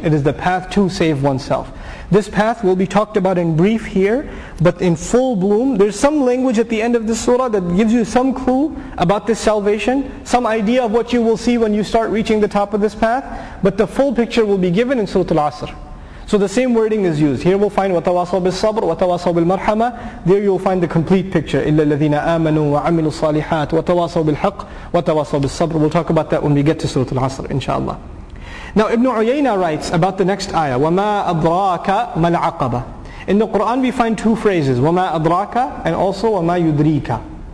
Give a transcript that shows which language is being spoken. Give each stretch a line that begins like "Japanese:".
English: It is the path to save oneself. This path will be talked about in brief here, but in full bloom. There's some language at the end of this surah that gives you some clue about this salvation, some idea of what you will see when you start reaching the top of this path, but the full picture will be given in Surah Al-Asr. So the same wording is used. Here we'll find
Arabic: وَتَوَاصَوْا بِالصَّبْرِ وَتَوَاصَوْا بِالْمَرْحَمَةِ.
English: There you'll find the complete picture.
Arabic: إِلَّا الَّذِينَ آمَنُوا وَعَمِلُوا الصَّالِحَاتِ وَتَوَاصَوْا بِالْحَقِّ وَتَوَاصَوْا بِالصَّبْرِ.
English: We'll talk about that when we get to Surah Al-Asr, inshaAllah. Now Ibn Uyayna writes about the next ayah,
Arabic: وَمَا أَدْرَاكَ مَا الْعَقَبَةِ.
English: In the Qur'an we find two phrases,
Arabic: وَمَا أَدْرَاكَ
English: and also
Arabic: وَمَا يُدْرِيكَ.